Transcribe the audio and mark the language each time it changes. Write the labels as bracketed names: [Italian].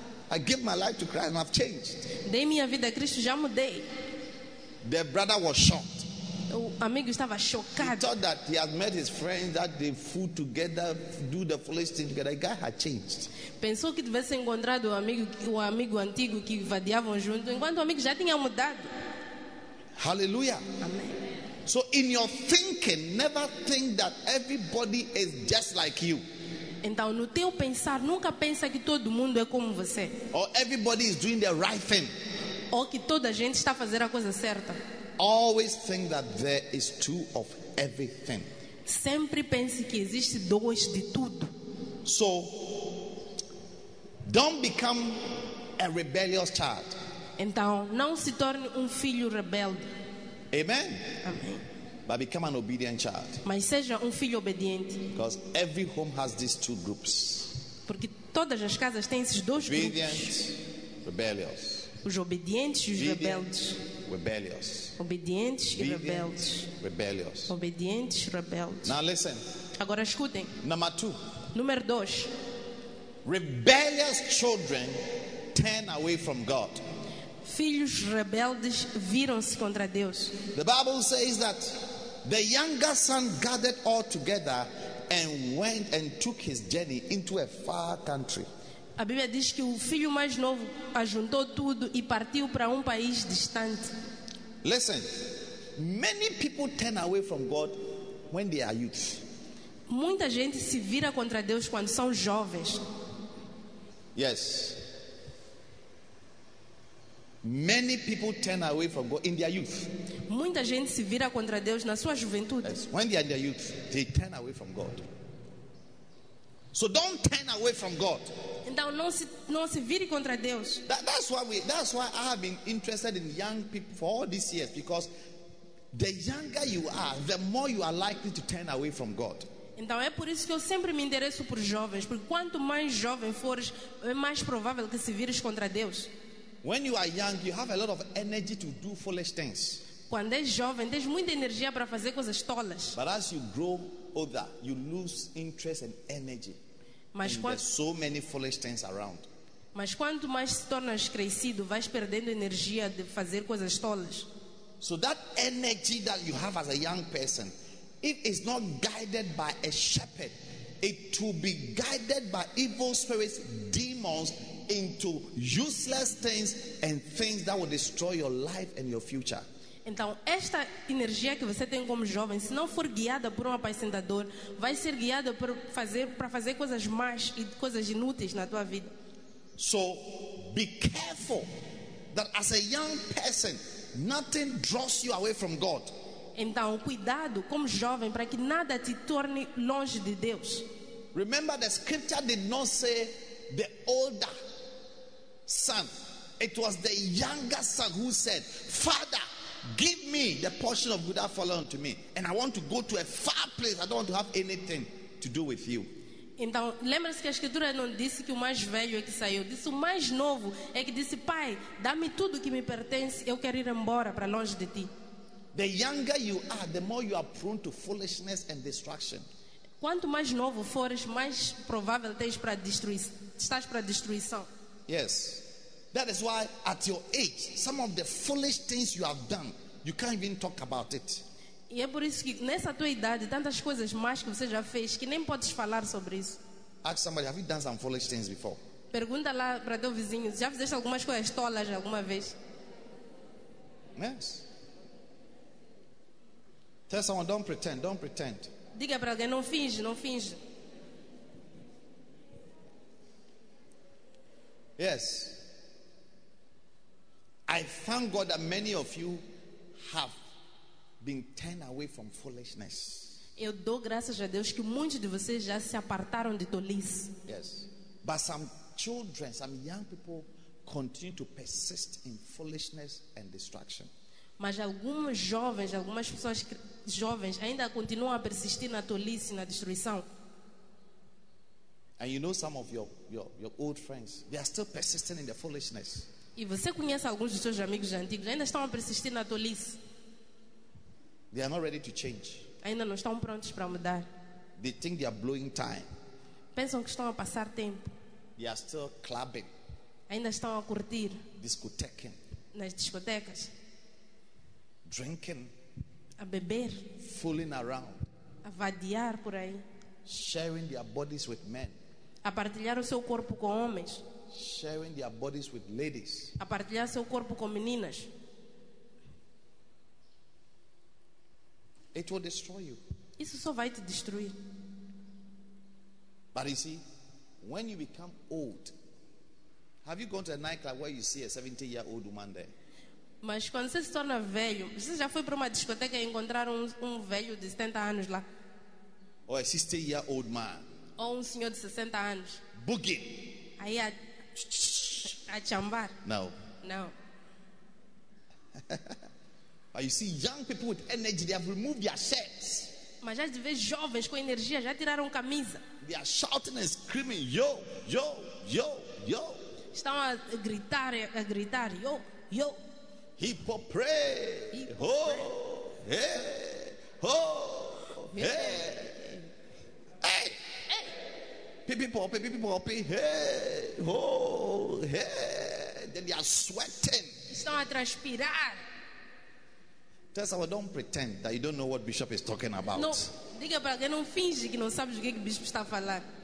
[English] I gave my life to Christ and I've changed. [Portuguese] Dei minha vida a Cristo, já mudei. [English] The brother was shocked. [Portuguese] O amigo estava chocado. [English] He thought that he had met his friends, that they food together, do the foolish thing together. The guy had changed. [Portuguese] Pensou que tivesse encontrado o amigo antigo que vadiavam junto, enquanto o amigo já tinha mudado. [English] Hallelujah. Amen. So in your thinking, never think that everybody is just like you. [Portuguese] Então, no teu pensar, nunca pensa que todo mundo é como você. [English] Or everybody is doing the right thing. [Portuguese] Ou que toda a gente está fazendo a coisa certa. [English] Always think that there is two of everything. [Portuguese] Sempre pense que existe dois de tudo. [English] So, don't become a rebellious child. [Portuguese] Então, não se torne filho rebelde. [English] Amen. Amen. But become an obedient child. [Portuguese] Mas seja filho obediente. [English] Because every home has these two groups. [Portuguese] Porque todas as casas têm esses dois grupos. [English] Obedient, rebellious. [Portuguese] Os obedientes e os rebeldes. [English] Rebellious. [Portuguese] Obedientes e rebeldes. [English] Rebellious. [Portuguese] Obedientes e rebeldes. [English] Now listen. [Portuguese] Agora escutem. [English] Number two. [Portuguese] Número dois. [English] Rebellious children turn away from God. [Portuguese] Filhos rebeldes viram-se contra Deus. [English] The Bible says that the younger son gathered all together and went and took his journey into a far country. [Portuguese] A Bíblia diz que o filho mais novo ajuntou tudo e partiu para país distante. [English] Listen, many people turn away from God when they are youth. [Portuguese] Muita gente se vira contra Deus quando são jovens. [English] Yes. Many people turn away from God in their youth. [Portuguese] Muita gente se vira contra Deus na sua juventude. [English] Yes. When they are in their youth, they turn away from God. So don't turn away from God. [Portuguese] Então não se vire contra Deus. [English] That's why I have been interested in young people for all these years, because the younger you are, the more you are likely to turn away from God. [Portuguese] Então é por isso que eu sempre me interesso por jovens, porque quanto mais jovem fores, é mais provável que se vires contra Deus. [English] When you are young, you have a lot of energy to do foolish things. [Portuguese] Quando és jovem, tens muita energia para fazer coisas tolas. [English] But as you grow older, you lose interest and energy. There's so many foolish things around. [Portuguese] Mas quanto mais se tornas crescido, vais perdendo energia de fazer coisas tolas. [English] So that energy that you have as a young person, if it's not guided by a shepherd, it will be guided by evil spirits, demons, into useless things and things that will destroy your life and your future. [Portuguese] Então, esta energia que você tem como jovem, se não for guiada por um apacentador, vai ser guiada para fazer coisas más e coisas inúteis na tua vida. [English] So, be careful that as a young person, nothing draws you away from God. [Portuguese] Então, cuidado como jovem para que nada te torne longe de Deus. [English] Remember, the scripture did not say the older son. It was the younger son who said, "Father, give me the portion of good that fallen unto me, and I want to go to a far place. I don't want to have anything to do with you." [Portuguese] Então, lembra-se que a escritura não disse que o mais velho é que saiu, disse o mais novo é que disse, "Pai, dá-me tudo que me pertence, eu quero ir embora para longe de ti." [English] The younger you are, the more you are prone to foolishness and destruction. [Portuguese] Quanto mais novo fores, mais provável estás para destruição. [English] Yes. That is why at your age, some of the foolish things you have done, you can't even talk about it. [Portuguese] E é por isso que nessa tua idade, tantas coisas más que você já fez, que nem podes falar sobre isso. [English] Ask somebody, have you done some foolish things before? [Portuguese] Pergunta lá para teu vizinho, já fizeste algumas coisas tolas alguma vez? [English] Yes. Tell someone, don't pretend. [Portuguese] Diga para alguém, não finge. [English] Yes. I thank God that many of you have been turned away from foolishness. [Portuguese] Eu dou graças a Deus que muitos de vocês já se apartaram de tolice. [English] Yes. But some children, some young people continue to persist in foolishness and destruction. [Portuguese] Mas algumas jovens, algumas pessoas jovens ainda continuam a persistir na tolice e na destruição. [English] And you know some of your old friends, they are still persisting in their foolishness. [Portuguese] E você conhece alguns dos seus amigos antigos, ainda estão a persistir na tolice. [English] They are not ready to change. [Portuguese] Ainda não estão prontos para mudar. [English] They think they are blowing time. [Portuguese] Pensam que estão a passar tempo. [English] They are still clubbing. [Portuguese] Ainda estão a curtir. [English] Discotecing. [Portuguese] Nas discotecas. [English] Drinking. [Portuguese] a beber, [English] fooling around, [Portuguese] a vadiar por aí, [English] sharing their bodies with men, [Portuguese] a partilhar o seu corpo com homens, [English] sharing their bodies with ladies, [Portuguese] a partilhar seu corpo com meninas. [English] It will destroy you. [Portuguese] Isso só vai te destruir. [English] But you see, when you become old, have you gone to a nightclub where you see a 70-year-old woman there? [Portuguese] Mas quando você se torna velho, você já foi para uma discoteca e encontrar um velho de 70 anos lá? [English] Or a 60-year-old man? [Portuguese] Ou senhor de 60 anos? [English] Boogie. [Portuguese] Aí a chambar? Não. Não. [English] But you see young people with energy, they have removed their shirts. [Portuguese] Mas já de vez jovens com energia já tiraram camisa. [English] They are shouting and screaming, yo, yo, yo, yo. [Portuguese] Estão a gritar, yo, yo. Hip hop, pray. Ho, oh, hey, ho, oh, hey. Hey. Hey. Pipi pop, pipi pop, hey, ho, oh, hey. [English] Then they are sweating. [Portuguese] Estão a transpirar. [English] Tell someone, don't pretend that you don't know what Bishop is talking about. [Portuguese] Não, diga para alguém, não finge que não sabe o que o Bishop está a falar.